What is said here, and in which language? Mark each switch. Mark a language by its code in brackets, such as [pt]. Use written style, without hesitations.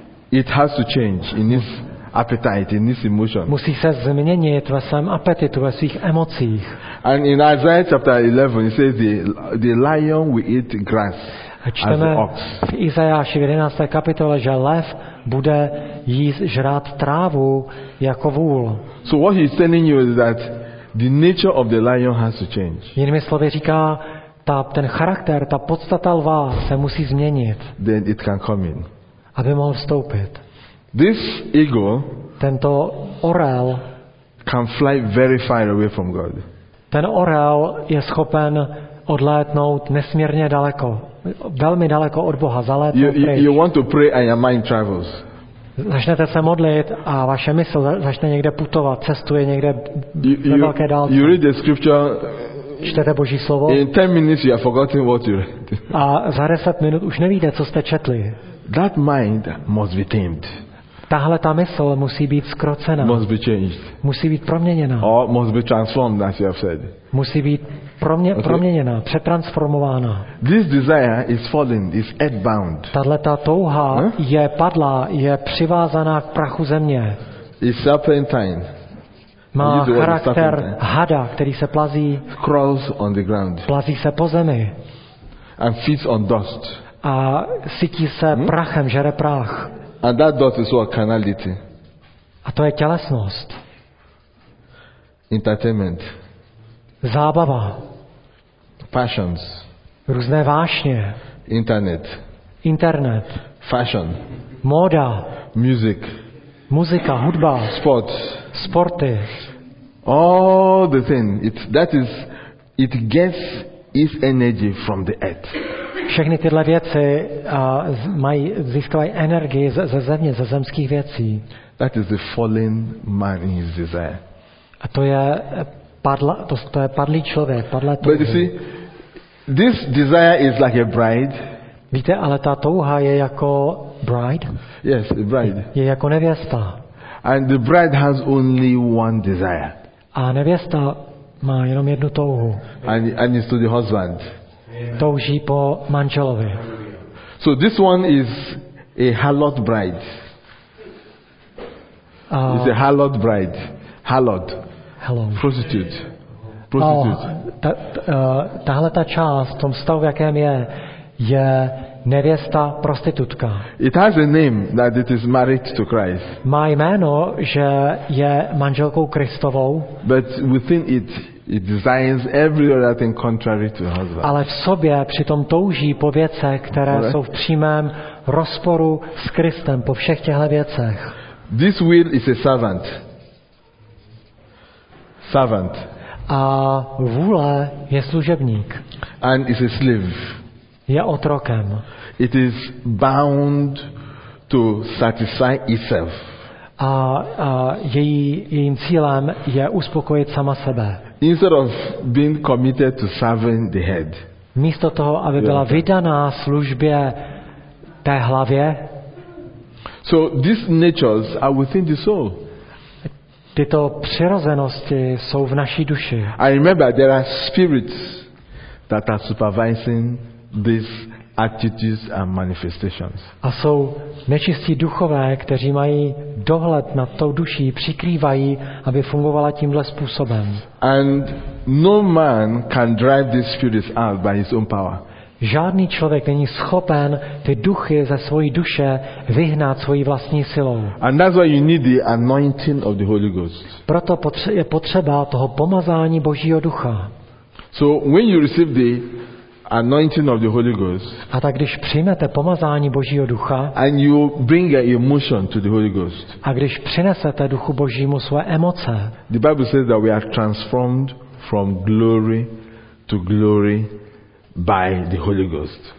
[en] It has to change in its appetite, in its emotion. [cs] Musí se změnit ve svém apetitu, ve svých emocích. [en] And in Isaiah chapter 11, it says the lion will eat grass as the ox. [cs] V Izajáši 11. kapitole, že lev bude jíst, žrát trávu jako vůl. [en] So what he's telling you is that the nature of the lion has to change. [cs] Jinými slovy říká, ten charakter, ta podstata lva se musí změnit. [en] Then it can come in. [cs] Aby mohl vstoupit. [en] This ego, [cs] tento orel, [en] can fly very far away from God. [cs] Ten orel je schopen odlétnout nesmírně daleko, velmi daleko od Boha, zalétnout pryč. [en] You want to pray and your mind travels. [cs] Začnete se modlit a vaše mysl začne někde putovat, cestuje někde ve velké dálce. [en] You read the scripture. [cs] Čtete Boží slovo. [en] In 10 minutes you have forgotten what you read. [cs] A za 10 minut už nevíte, co jste četli. [en] That mind must be tamed. [cs] Tahle ta mysl musí být zkrocena. [en] Must be changed. [cs] Musí být proměněna. [en] Or must be transformed, as you have said. [cs] Musí být proměněna, přetransformována. [en] This desire is fallen, is earthbound. [cs] Tahle ta touha je padlá, je přivázaná k prachu země. [en] It's serpentine. [cs] Má charakter hada, který se plazí. [en] Crawls on the ground. [cs] Plazí se po zemi. [en] And feeds on dust. [cs] A sytí se prachem, žere prach. [en] And that dust is what carnality. [cs] A to je tělesnost. [en] Entertainment. [cs] Zábava. [en] Passions. [cs] Různé vášně. [en] Internet. [cs] Internet. [en] Fashion. [cs] Móda. [en] Music. [cs] Muzika, hudba. [en] Sports. [cs] Sporty. [en] All the thing. It gets its energy from the earth. [cs] Všechny tyhle věci získávají energii ze země, ze zemských věcí. [en] That is the fallen man in his desire. [cs] A to je padlý člověk, padlé touhy. [en] But you see, this desire is like a bride. [cs] Víte, ale ta touha je jako [en] bride. Yes, a bride. [cs] Je jako nevěsta. [en] And the bride has only one desire. [cs] A nevěsta má jenom jednu touhu. [en] And it's to the husband. [cs] Touží po manželovi. [en] So this one is a hallowed bride. It's a hallowed bride. Hallowed. Hello. Prostitute. Prostitute. [cs] Tahle ta část v tom stavu, v jakém je nevěsta prostitutka. [en] It has a name that it is married to Christ. [cs] Má jméno, že je manželkou Kristovou. [en] But within it, it desires every other thing contrary to the husband. [cs] Ale v sobě přitom touží po věcech, které [en] right. [cs] jsou v přímém rozporu s Kristem, po všech těchto věcech. [en] This will is a servant. Servant. [cs] A vůle je služebník. [en] And is a slave. [cs] Je otrokem. [en] It is bound to satisfy itself. [cs] A jejím cílem je uspokojit sama sebe. [en] Instead of being committed to serving the head. [cs] Místo toho, aby byla vydaná službě té hlavě. [en] So these natures are within the soul. [cs] Tyto přirozenosti jsou v naší duši. [en] I remember there are spirits that are supervising these attitudes and manifestations. [cs] A jsou nečistí duchové, kteří mají dohled nad tou duší, přikrývají, aby fungovala tímhle způsobem. [en] And no man can drive these spirits out by his own power. [cs] Žádný člověk není schopen ty duchy ze svojí duše vyhnat svojí vlastní silou. [en] And that's why you need the anointing of the Holy Ghost. [cs] Proto je potřeba toho pomazání Božího ducha. [en] So when you receive the anointing of the Holy Ghost, [cs] a tak když přijmete pomazání Božího ducha, [en] and you bring your emotion to the Holy Ghost, [cs] a když přinesete Duchu Božímu svoje emoce, [en] the Bible says that we are transformed from glory to glory by the Holy Ghost.